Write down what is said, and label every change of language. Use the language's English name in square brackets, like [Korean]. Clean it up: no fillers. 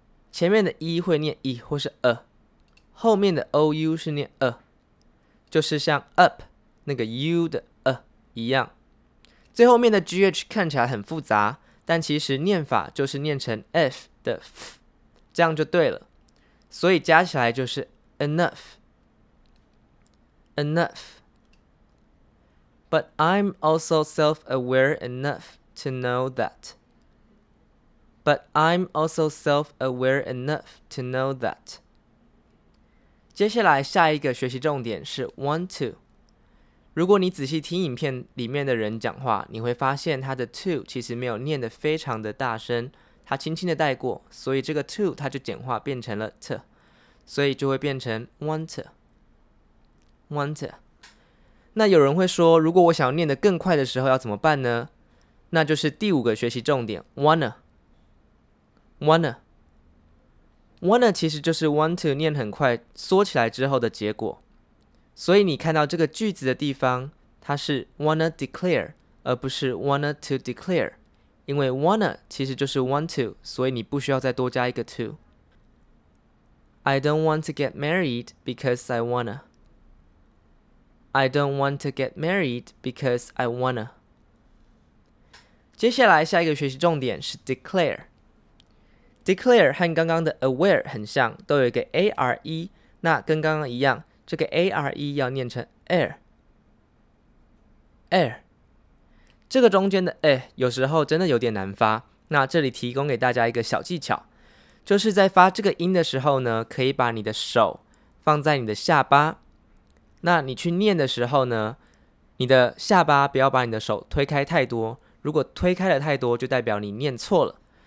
[Chinese] 前面的 e 会念 e 或是 a， 后面的 ou 是念 a， 就是像 up 那个 u 的 a 一样。最后面的 gh 看起来很复杂，但其实念法就是念成 f 的 f， 这样就对了。所以加起来就是 enough。 [English] Enough. But I'm also self-aware enough to know that. But I'm also self-aware enough to know that. [Chinese] 接下来下一个学习重点是 want to. 如果你仔细听影片里面的人讲话，你会发现他的 to 其实没有念得非常的大声，他轻轻的带过，所以这个 to 他就简化变成了 to， 所以就会变成 want to. [English] Want to. [Chinese] 那有人会说，如果我想要念得更快的时候要怎么办呢？那就是第五个学习重点 wanna 其实就是 want to 念很快缩起来之后的结果。所以你看到这个句子的地方，它是 wanna declare 而不是 wanna to declare， 因为 wanna 其实就是 want to， 所以你不需要再多加一个 to。 [English] I don't want to get married because I wannaI don't want to get married because I wanna. [Chinese] 接下来下一个学习重点是 declare. Declare 和刚刚的 aware 很像，都有一个 A-R-E， 那跟刚刚一样，这个 A-R-E 要念成 air. [English] Air. [Chinese] 这个中间的 a 有时候真的有点难发，那这里提供给大家一个小技巧，就是在发这个音的时候呢，可以把你的手放在你的下巴，那你去念的时候呢，你的下巴不要把你的手推开太多，如果推开了太多就代表你念错了。